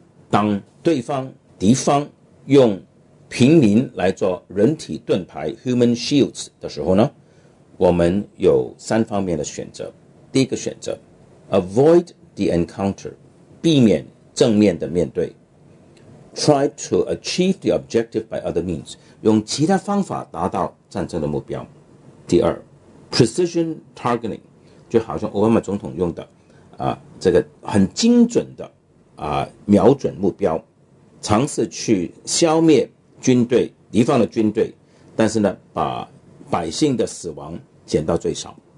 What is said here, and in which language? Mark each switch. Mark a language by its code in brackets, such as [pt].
[zh] 当敌方用平民来做人体盾牌 [en] human shields [zh] 的时候呢，我们有三方面的选择。第一个选择， [en] avoid the encounter， [zh] 避免正面的面对。 [en] try to achieve the objective by other means， [zh] 用其他方法达到战争的目标。第二， [en] precision targeting， [zh] 就好像奥巴马总统用的这个很精准的瞄准目标，尝试去消灭军队，敌方的军队，但是呢把百姓的死亡减到最少。